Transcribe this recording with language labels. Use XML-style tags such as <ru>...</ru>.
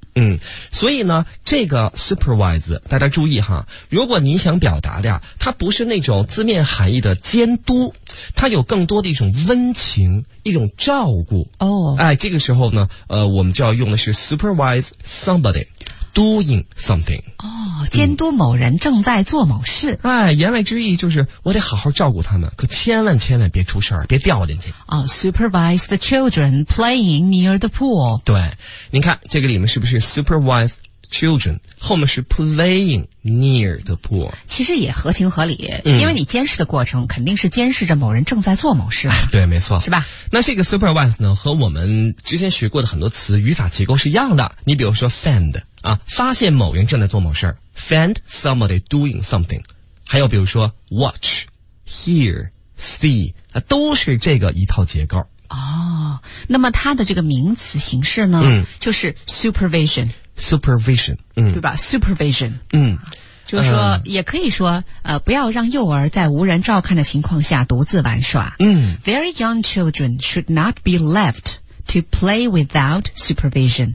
<zh>嗯，所以呢这个 supervise 大家注意哈如果您想表达的呀它不是那种字面含义的监督它有更多的一种温情一种照顾哦，哎，这个时候呢我们就要用的是</zh> <en>supervise somebody doing something</en> <zh>哦，监督某人正在做某事、嗯、哎，言外之意就是我得好好照顾他们可千万千万别出事儿，别掉进去</zh> <en>哦 supervise the children playing near the pool</en> <zh>对您看这个里面是不是</zh> <en>supervise children</en> <zh>后面是</zh> <en>playing near the pool</en> <zh>其实也合情合理、嗯、因为你监视的过程肯定是监视着某人正在做某事、哎、对没错是吧那这个 supervise 呢和我们之前学过的很多词语法结构是一样的你比如说 fend啊，发现某人正在做某事</zh> <en>find somebody doing something</en> <zh>还有比如说</zh> <en>watch hear see、</en> <zh>啊、都是这个一套结构哦，那么它的这个名词形式呢、嗯、</zh> <en>就是 supervision supervision、嗯、</en> <zh>对吧 supervision 嗯，就是说也可以说不要让幼儿在无人照看的情况下独自玩耍。嗯</zh> <en>,Very young children should not be left to play without supervision.</en>